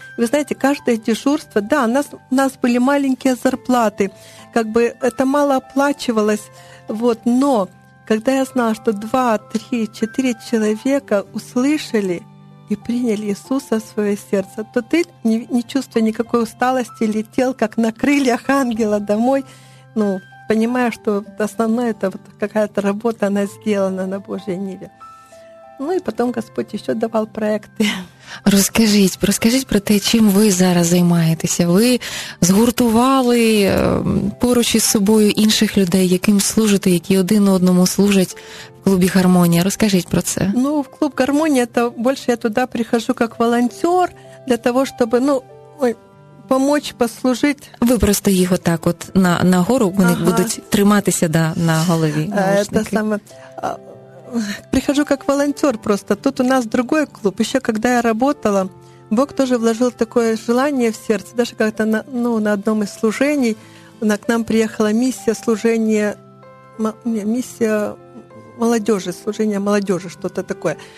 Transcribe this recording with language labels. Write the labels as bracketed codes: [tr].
[ru] Вы знаете, каждое дежурство, да, у нас были маленькие зарплаты, как бы это мало оплачивалось, вот, но когда я знала, что 2, 3, 4 человека услышали и приняли Иисуса в свое сердце, то ты, не чувствуя никакой усталости, летел, как на крыльях ангела домой, ну, понимая, что основное — это вот какая-то работа, она сделана на Божьей ниве. Ну и потом Господь еще давал проекты. [uk] Розкажіть про те, чим ви зараз займаєтеся. Ви згуртували поруч із собою інших людей, яким служите, які один одному служать в клубі «Гармонія». Розкажіть про це. Ну, в клуб «Гармонія» то більше я туди прихожу як волонтер для того, щоб, ну, помочь, послужить. Ви просто їх отак от на гору, вони, ага, будуть триматися, да, на голові. Це саме. [ru] Прихожу как волонтер просто. Тут у нас другой клуб. Еще когда я работала, Бог тоже вложил такое желание в сердце. Даже как-то на одном из служений к нам приехала миссия служения, миссия молодежи, служение молодежи, что-то такое.